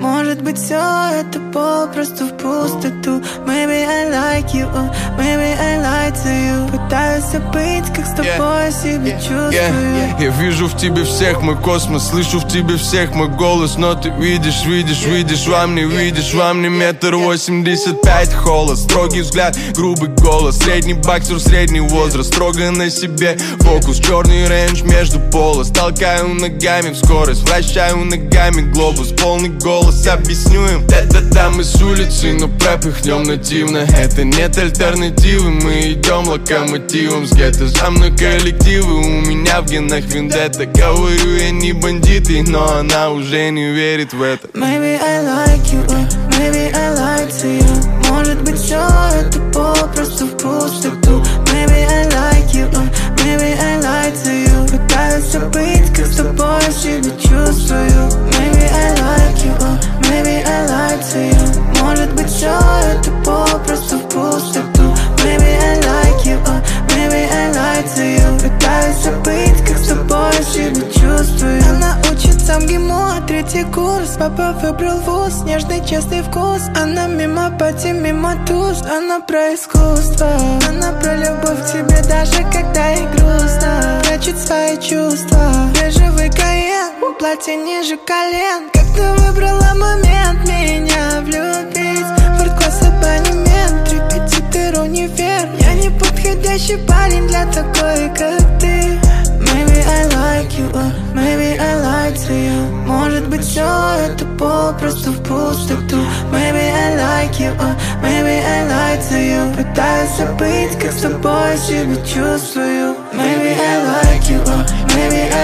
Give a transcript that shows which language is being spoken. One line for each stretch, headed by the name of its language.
Russian: Может быть, все это попросту в пустоту.
English: Maybe I like you, maybe I lied to you.
Russian: Пытаюсь забыть, как с тобой себя чувствую. Я вижу в тебе всех мой космос, слышу в тебе всех мой голос. Но ты видишь, видишь, видишь, во мне видишь. Во мне 1.85 м, холост. Строгий взгляд, грубый голос. Средний боксер, средний возраст. Строго на себе фокус. Черный рейндж между полос. Толкаю ногами в скорость, вращаю ногами глобус. Полный голос, объясню им. Это там из улицы, но пропихнем нативно. Это нет альтернативы, мы идем локомотивом. С гетто за мной коллективы, у меня в генах вендетта. Говорю, я не бандиты, но она уже не верит в это.
English: Maybe I like you, maybe I lied to you.
Russian: Может быть, все это попросту в пустоту.
English: Maybe I like you, maybe I lied to you.
Russian: Пытаюсь забыть, как с тобой себя чувствую.
English: Maybe I like you, maybe I lied to you.
Russian: Может быть, все это попросту в пустоту.
English: Maybe I like you, maybe I lied to you.
Russian: Пытаюсь забыть, как с тобой себя чувствую. Она учится в ГИМО, третий курс. Папа выбрал вуз, нежный, честный вкус. Она мимо пати, мимо туз. Она про искусство, она про любовь к тебе, даже когда ей грустно. Прячет свои чувства, бежевый каен, платье ниже колен. Как ты выбрала момент меня влюбить? Форт-класс, абонемент, репетитор, универ. Я не подходящий парень для такой, как ты.
English: Maybe I like you, maybe I lied to you.
Russian: Может быть, все это попросту в пустоту.
English: Maybe I like you, maybe I lied to you.
Russian: Пытаюсь забыть, как с тобой себя чувствую.
English: Maybe I like you, maybe.